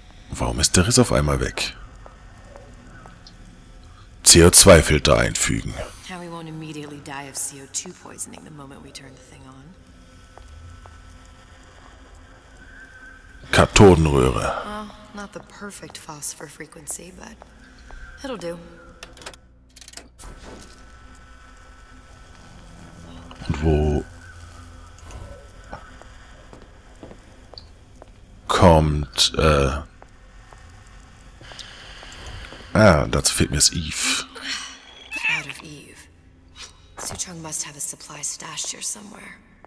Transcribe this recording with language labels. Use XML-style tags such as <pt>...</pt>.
<de>Warum ist der Riss auf einmal weg? CO2-Filter einfügen.</de> <en>Now we won't immediately die of CO2 poisoning the moment we turn the thing on.</en> <de>Kathodenröhre.</de> <en>Well, not the perfect phosphor frequency, but it'll do.</en> <de>Und wo kommt, dazu fehlt mir das Eve.</de> <en>Out of Eve. Suchong must have a supply stashed here somewhere.</en>